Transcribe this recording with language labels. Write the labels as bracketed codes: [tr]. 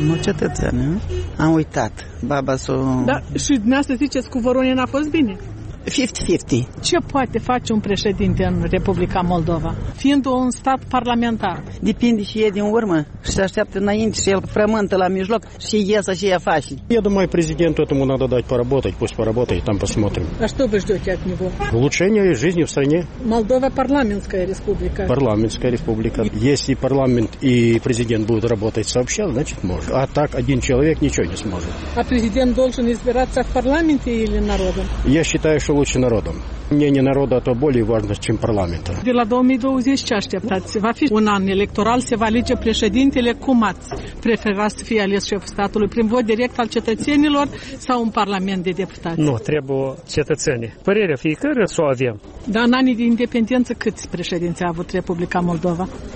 [ro] Nu cetățenii, am uitat. Baba s-o... Da, și dumneavoastră ziceți că Voronin a fost bine? 50-50. Ce poate face un președinte în Republica Moldova, fiind un stat parlamentar? Depinde și e din urmă și se așteaptă înainte și el frământă la mijloc și iese și ea face. [ru] Я думаю, президенту этому надо дать поработать, пусть поработает, там посмотрим. А что вы ждете от него? Улучшение жизни в стране. Молдова парламентская республика. Парламентская республика. Если парламент и президент будут работать сообща, значит, может. А так один человек ничего не сможет. А президент должен избираться в парламенте или народом? Я считаю, что лучше народом. Мнение народа, то более важно, чем парламента. [ro] De la 2020 așteptați? Va fi un an electoral, se va alege președintele, cum ați prefera să fie ales șeful statului, prin vot direct al cetățenilor sau în parlament de deputați? Nu, trebuie cetățenii. Părerea fiecare s-o avem. Dar în anii de independență, câți președinți a avut Republica Moldova?